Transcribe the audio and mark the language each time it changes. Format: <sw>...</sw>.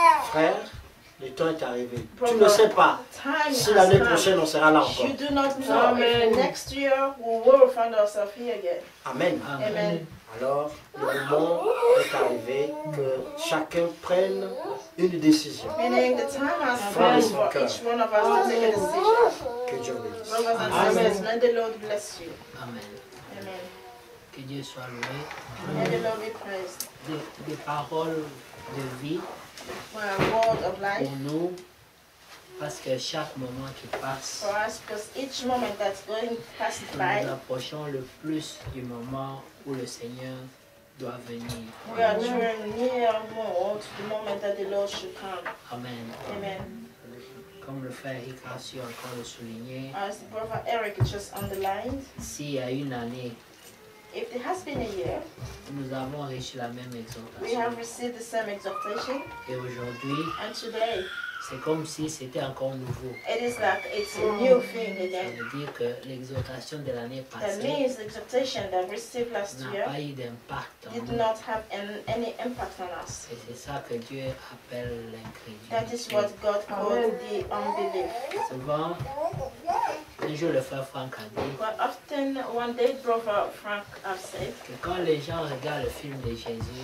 <fr>Frère, le temps est arrivé. Tu ne sais pas si l'année prochaine on sera là encore.</fr> <en>You do not know if next year we will find ourselves here again. Amen. Amen.</en> <fr>Alors, le moment est arrivé que chacun prenne une décision.</fr> <en>Meaning the time has come for each one of us to take a decision.</en> <fr>Que Dieu bénisse.</fr> <en>Brothers and sisters, may the Lord bless you. Amen. Amen.</en> <fr>Que Dieu soit loué.</fr> <en>May the Lord be praised.</en> <fr>Des paroles de vie.</fr> <en>For a word of life.</en> <fr>Pour nous, parce que chaque moment qui passe.</fr> <en>For us, because each moment that's going past by.</en> <fr>Nous approchons le plus du moment où le Seigneur doit venir.</fr> <en>We are drawing near more to the moment that the Lord should come. Amen. Amen.</en> <fr>Comme le frère Eric a su encore le souligner.</fr> <en>As the brother Eric just underlined.</en> <fr>Si il y a une année.</fr> <en>If there has been a year.</en> <fr>Nous avons reçu la même exhortation.</fr> <en>We have received the same exhortation.</en> <fr>Et aujourd'hui.</fr> <en>And today.</en> <fr>C'est comme si c'était encore nouveau.</fr> <en>It is like it's a new thing again.</en> <fr>Ça veut dire que l'exhortation de l'année passée.</fr> <en>That means the exhortation that we received last year.</en> <fr>N'a pas eu d'impact.</fr> <en>Did not have any impact on us.</en> <fr>Et c'est ça que Dieu appelle l'incrédulité.</fr> <en>That is what God called the unbelief.</en> <fr>Souvent, un jour le frère Frank a dit.</fr> <en>But often one day brother Frank have said.</en> <fr>Que quand les gens regardent le film de Jésus.</fr>